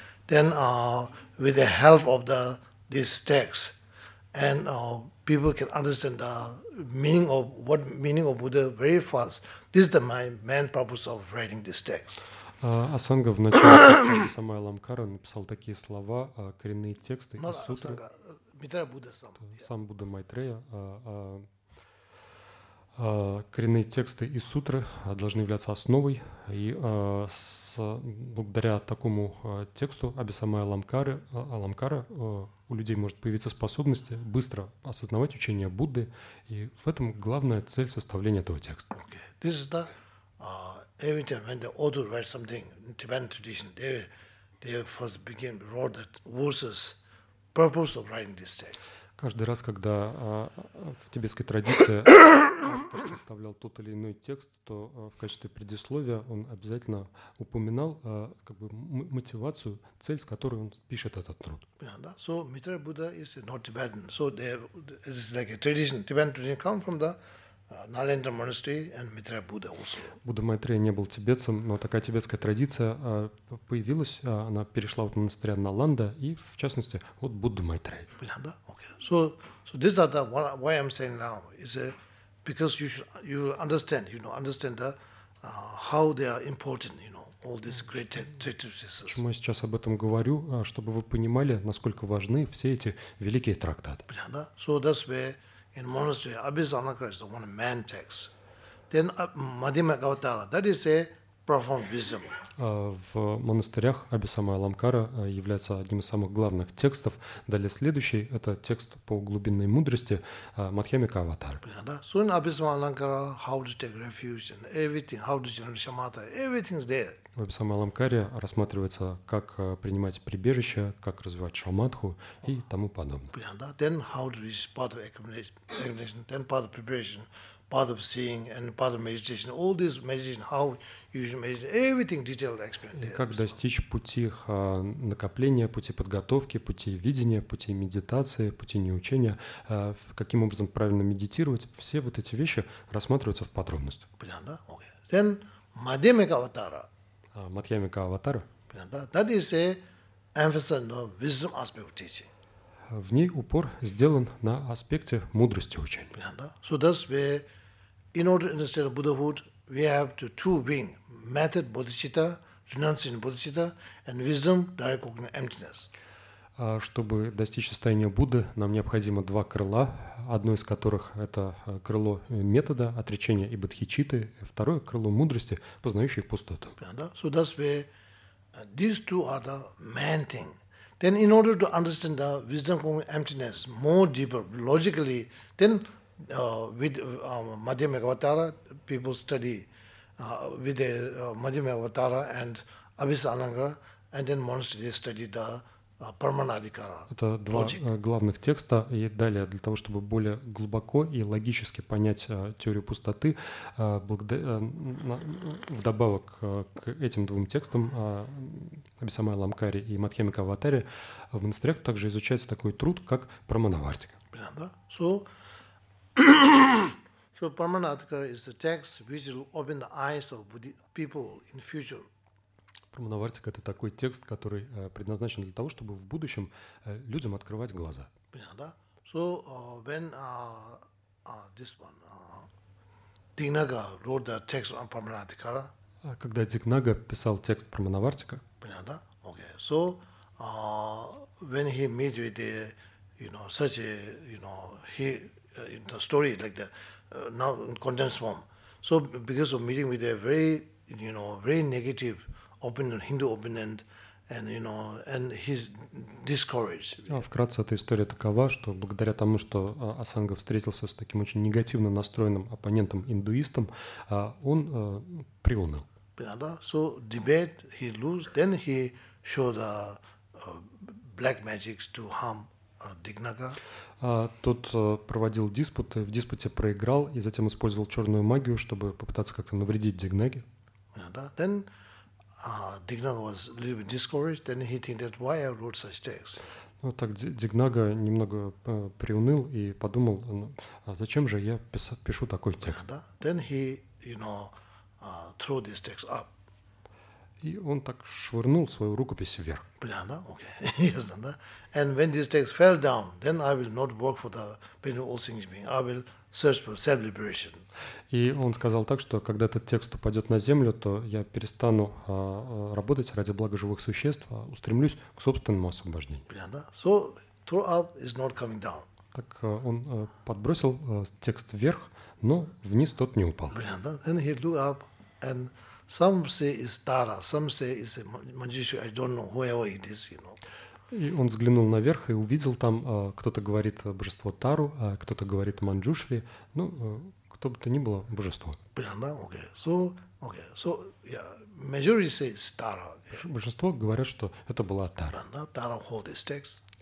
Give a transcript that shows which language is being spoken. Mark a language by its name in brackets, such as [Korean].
[English] Then, with the help of this text, and people can understand the meaning of what meaning of Buddha very fast. This is the main purpose of writing this text. [Russian] Асанга в начале Абхисамалангкара написал такие слова, коренные тексты и сутры. Асанга, Митра Будда сам. Сам Будда Майтрея. Коренные тексты и сутры должны являться основой, и благодаря такому тексту Абхисамалангкара у людей может появиться способность быстро осознавать учение Будды, и в этом главная цель составления этого текста. [English] Okay. This is the every time when the author writes something in Tibetan tradition, they first begin wrote the verses purpose of writing this text. [Russian] Каждый раз, когда в тибетской традиции автор составлял тот или иной текст, то в качестве предисловия он обязательно упоминал мотивацию, цель, с которой он пишет этот труд. [English] Yeah, [Russian] да. [English] So Maitreya Buddha is not Tibetan. So this is like a tradition. Tibetan tradition come from the Nalanda Monastery and Maitreya Buddha also. [Russian] Будда Майтрея не был тибетцем, но такая тибетская традиция появилась, она перешла от монастыря Наланда и, в частности, от Будды Майтрея. Понятно, да? [English] Okay. So this is the why I'm saying now is because you understand, understand the how they are important, all these great treatises. [Russian] Почему я сейчас об этом говорю, чтобы вы понимали, насколько важны все эти великие трактаты. Понятно, да? [English] So that's where in monastery, Abhisamalangkara is the one main text. Then Madhyama Gavatara, that is a profound wisdom. [Russian] В монастырях Абхисамалангкара является одним из самых главных текстов. Далее следующий — это текст по глубинной мудрости Мадхьямика Аватара. Понятно? [English] So in Abhisamalangkara, how to take refuge and everything, how to generate shamatha, everything's there. [Russian] В Абхисамалангкаре рассматривается, как принимать прибежище, как развивать шамадху и тому подобное. Понятно? [English] Then how to reach part of accumulation, then part of preparation, part of seeing and part of meditation. All this meditation, how you should meditate, everything detailed explained. [Russian] И как достичь пути накопления, пути подготовки, пути видения, пути медитации, пути неучения, каким образом правильно медитировать, все вот эти вещи рассматриваются в подробности. Понятно, да? [English] Okay. Then, Madhyamika Avatara. Madhyamika Avatara. [Russian] Понятно, да? [English] That is a emphasis on the wisdom aspect of teaching. [Russian] В ней упор сделан на аспекте мудрости учения. Да? [English] So that's where, in order to understand Buddhahood, we have to two wing: method bodhicitta, renunciation bodhicitta, and wisdom direct cognition emptiness. [Russian] Чтобы достичь состояния Будды, нам необходимо два крыла, одно из которых — это крыло метода отречения и бодхичитты, второе — крыло мудрости, познающей пустоту. Да? [English] So that's where these two are the main thing. Then in order to understand the wisdom of emptiness more deeper, logically, then with Madhyamika Avatara, people study with Madhyamika Avatara and Abhisa Alankara, and then monastery study the Paramanadikara. [Russian] Это два главных текста. И далее, для того, чтобы более глубоко и логически понять теорию пустоты, вдобавок к этим двум текстам, Абхисамая Аламкари и Мадхьямика Аватари, в монастырях также изучается такой труд, как Парамана-вартика. Да? [English] So, so Парамана-вартика is a text which will open the eyes of people in future. [Russian] Парамана-вартика — это такой текст, который предназначен для того, чтобы в будущем людям открывать глаза. Понятно, да? [English] So, when this one, Динага wrote the text on Парамана-вартика. [Russian] Когда Динага писал текст Парамана-вартика. Понятно, да? [English] Okay. So, when he met with the, you know, such a, you know, he, the story like that, now in condensed form. So, because of meeting with a very, you know, very negative opinion, Hindu opinion, and you know, and he's discouraged. [Russian] Вкратце эта история такова, что благодаря тому, что Асанга встретился с таким очень негативно настроенным оппонентом индуистом, он приуныл. Да? [English] So debate he lose, then he show the black magic to harm Dignaga. [Russian] Тот проводил диспут, в диспуте проиграл и затем использовал черную магию, чтобы попытаться как-то навредить Дигнаге. Да? [English] Then Dignaga was a little bit discouraged. Then he think that why I wrote such text. [Russian] Ну так Дигнага немного приуныл и подумал, ну, а зачем же я пишу такой текст? Да? [English] Then he, you know, throw this text up. [Russian] И он так швырнул свою рукопись вверх. Понятно, да? [English] Okay. Yes, [Russian] да, да. [English] And when this text fell down, then I will not work for the pain of all things being. I will search for self-liberation. [Russian] И он сказал так, что когда этот текст упадет на землю, то я перестану работать ради блага живых существ, а устремлюсь к собственному освобождению. Понятно, да? [English] So, throw up is not coming down. [Russian] Так он подбросил текст вверх, но вниз тот не упал. Понятно, да? [English] Then he threw up and some say it's Tara, some say it's a magician, I don't know, whoever it is, you know. [Russian] И он взглянул наверх и увидел там, кто-то говорит божество Тару, кто-то говорит Манджушри, ну, кто бы то ни было, божество. Понятно, да? [English] Okay. So, okay. So, yeah. Majority say it's Tara. [Russian] Большинство говорят, что это была Тара. Да? [English] Tara hold this text.